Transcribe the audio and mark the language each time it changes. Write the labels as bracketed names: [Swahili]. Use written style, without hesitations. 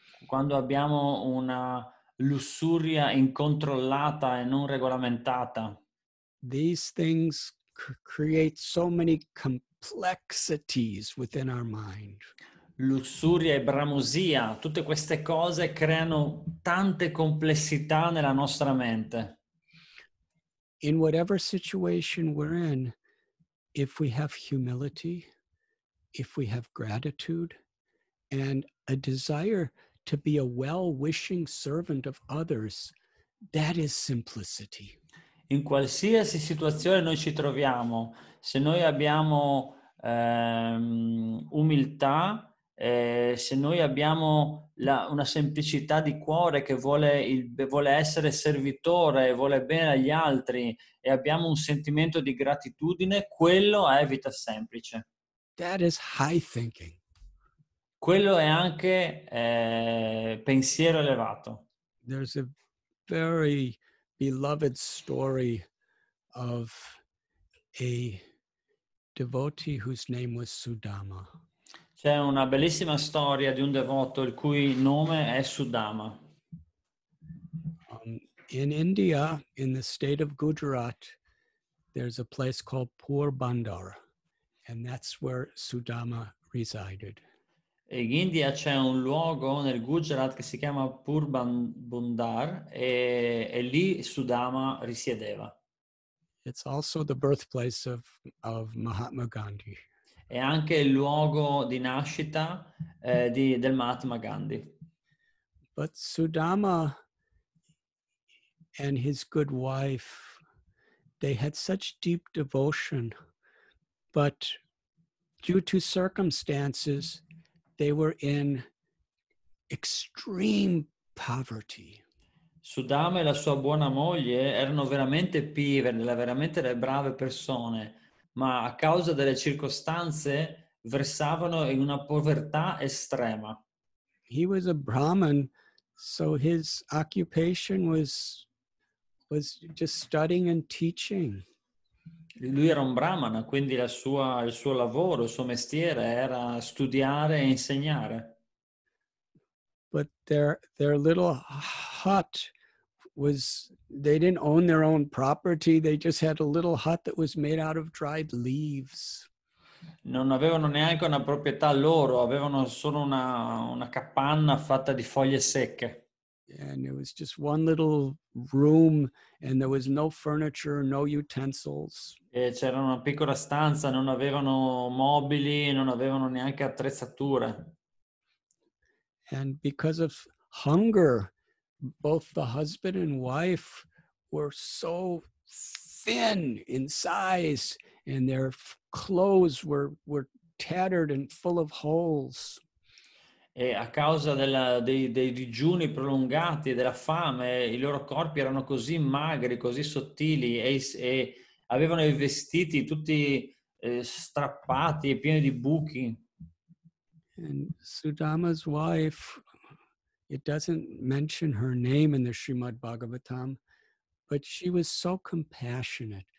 [Italian] Quando abbiamo una lussuria incontrollata e non regolamentata. [English] These things create so many complexities within our mind. [Italian] Lussuria e bramosia, tutte queste cose creano tante complessità nella nostra mente. [English] In whatever situation we're in, if we have humility, if we have gratitude, and a desire to be a well-wishing servant of others, that is simplicity. [Italian] In qualsiasi situazione noi ci troviamo, se noi abbiamo umiltà, se noi abbiamo una semplicità di cuore che vuole essere servitore, vuole bene agli altri e abbiamo un sentimento di gratitudine, quello è vita semplice. [English] That is high thinking. [Italian] Quello è anche pensiero elevato. [English] There's a very beloved story of a devotee whose name was Sudama. [Italian] C'è una bellissima storia di un devoto il cui nome è Sudama. [English] In India, in the state of Gujarat, there's a place called Porbandar, and that's where Sudama resided. [Italian] In India c'è un luogo nel Gujarat che si chiama Porbandar e lì Sudama risiedeva. [English] It's also the birthplace of Mahatma Gandhi. [Italian] È anche il luogo di nascita del Mahatma Gandhi. [English] But Sudama and his good wife, they had such deep devotion, but due to circumstances, they were in extreme poverty. [Italian] Sudama e la sua buona moglie erano veramente pie, veramente le brave persone, ma a causa delle circostanze versavano in una povertà estrema. [English] He was a Brahmin, so his occupation was just studying and teaching. [Italian] Lui era un brahmana, quindi il suo lavoro, il suo mestiere era studiare e insegnare. [English] But their little hut was, they didn't own their own property, they just had a little hut that was made out of dried leaves. [Italian] Non avevano neanche una proprietà loro, avevano solo una capanna fatta di foglie secche. [English] And it was just one little room and there was no furniture, no utensils. E c'era una piccola stanza, non avevano mobili, non avevano neanche attrezzature. And because of hunger, both the husband and wife were so thin in size and their clothes were tattered and full of holes. [Italian] E a causa della, dei digiuni prolungati, della fame, i loro corpi erano così magri, così sottili e avevano i vestiti tutti strappati e pieni di buchi. [English] And Sudama's wife, it doesn't mention her name in the Srimad Bhagavatam, but she was so compassionate.